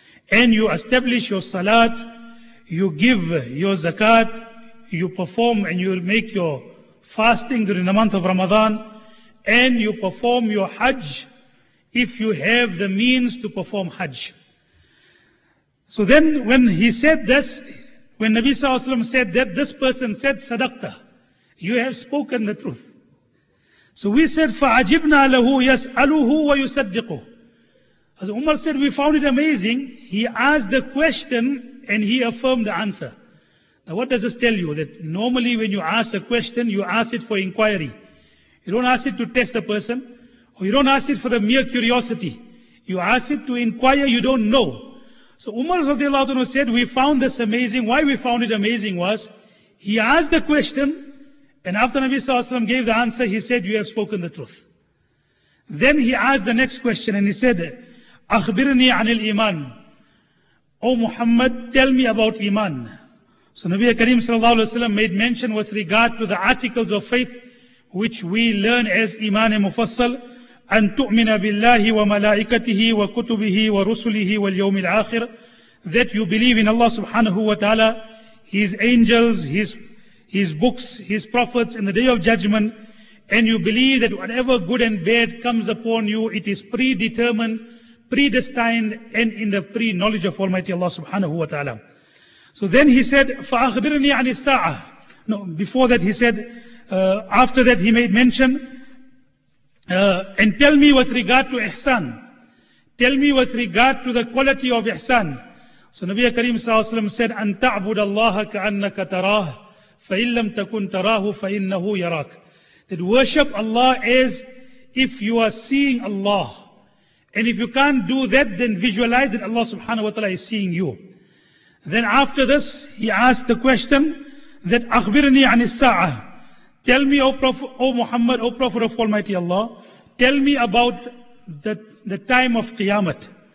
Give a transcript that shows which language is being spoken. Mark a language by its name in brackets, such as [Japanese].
[English] And you establish your salat, you give your zakat, you perform and you make your fasting during the month of Ramadan, and you perform your Hajj if you have the means to perform Hajj. So then when he said this, when Nabi Sallallahu Alaihi Wasallam said that, this person said, Sadaqta, you have spoken the truth. So we said, [Arabic] فَعَجِبْنَا لَهُ يَسْأَلُهُ وَيُسَدِّقُهُ. [English] As Umar said, we found it amazing. He asked the question and he affirmed the answer. Now what does this tell you? That normally when you ask a question, you ask it for inquiry. You don't ask it to test a person. Or you don't ask it for the mere curiosity. You ask it to inquire, you don't know. So Umar radiallahu anhu said, we found this amazing. Why we found it amazing was, he asked the question, and after Nabi Sallallahu Alaihi Wasallam gave the answer, he said, you have spoken the truth. Then he asked the next question and he said, [Arabic] أخبرني عن الإيمان. [English] O Muhammad, tell me about Iman. So Nabi Karim sallallahu alayhi wa sallam made mention with regard to the articles of faith which we learn as Iman Mufassal. [Arabic] أن تؤمن بالله وملائكته وكتبه ورسله واليوم الآخر. [English] That you believe in Allah subhanahu wa ta'ala, His angels, His books, His prophets in the day of judgment, and you believe that whatever good and bad comes upon you, it is predetermined, predestined, and in the pre-knowledge of Almighty Allah subhanahu wa ta'ala. So then he said, [Arabic] فَأَخْبِرْنِي عَنِ السَّاعَةِ. [English] No, before that he said, after that he made mention, and tell me with regard to ihsan. Tell me with regard to the quality of ihsan. So Nabi Kareem sallallahu alayhi wa sallam said, [Arabic] أَن تَعْبُدَ اللَّهَ كَأَنَّكَ تَرَاهُ فَإِن لَمْ تَكُنْ تَرَاهُ فَإِنَّهُ يَرَاكَ. [English] That worship Allah as if you are seeing Allah. And if you can't do that, then visualize that Allah subhanahu wa ta'ala is seeing you. Then after this, he asked the question that [Arabic] أَخْبِرْنِي عَنِ السَّاعَةِ. [English] Tell me, O Muhammad, O Prophet of Almighty Allah, tell me about the time of Qiyamah.